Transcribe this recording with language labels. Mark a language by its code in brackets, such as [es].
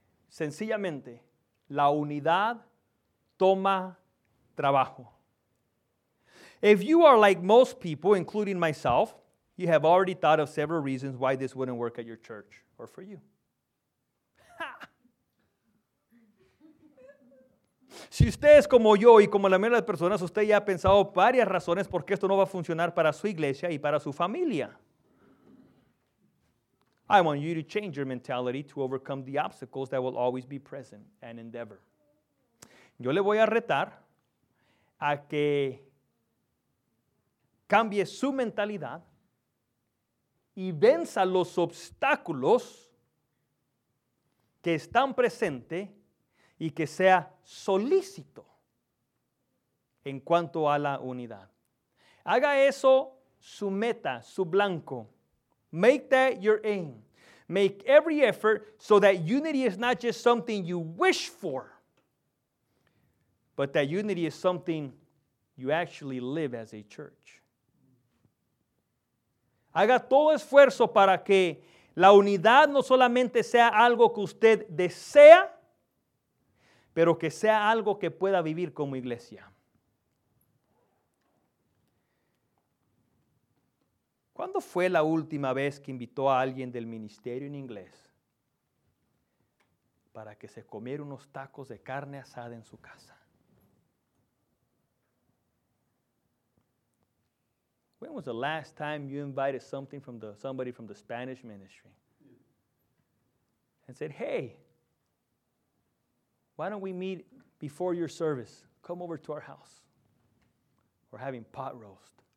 [es] Sencillamente, la unidad toma trabajo. [en] If you are like most people, including myself, you have already thought of several reasons why this wouldn't work at your church or for you. Ha! [es] Si usted es como yo y como la mayoría de las personas, usted ya ha pensado varias razones por qué esto no va a funcionar para su iglesia y para su familia. [en] I want you to change your mentality to overcome the obstacles that will always be present and endeavor. [es] Yo le voy a retar a que cambie su mentalidad y venza los obstáculos que están presentes y que sea solícito en cuanto a la unidad. Haga eso su meta, su blanco. [en] Make that your aim. Make every effort so that unity is not just something you wish for, but that unity is something you actually live as a church. [es] Haga todo esfuerzo para que la unidad no solamente sea algo que usted desea, pero que sea algo que pueda vivir como iglesia. ¿Cuándo fue la última vez que invitó a alguien del ministerio en inglés para que se comiera unos tacos de carne asada en su casa? [en] When was the last time you invited somebody from the Spanish ministry and said, hey, why don't we meet before your service? Come over to our house. We're having pot roast.